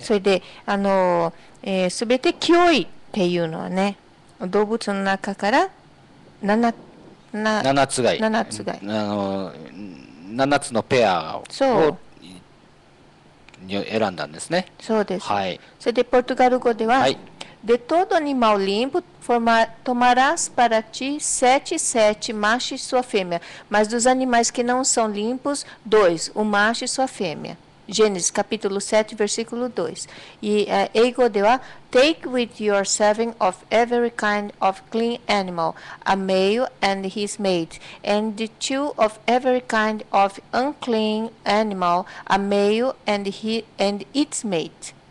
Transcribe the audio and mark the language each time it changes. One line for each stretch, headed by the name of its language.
Japanese: それで、すべて清いっていうのはね、動物の中から 7つがい、 7つのペアを選んだんですね。そうです、はい、それでポルトガル語では、はい、
Portuguese: De todo animal limpo, tomarás para ti 7 machos e sua fêmea. Mas dos animais que não são limpos, 2, um macho e sua fêmea. Gênesis, capítulo 7, versículo 2. E ego deu a...
English: Take with your 7 of every kind of clean animal, a male and his mate, and the 2 of every kind of unclean animal, a male and, and its mate.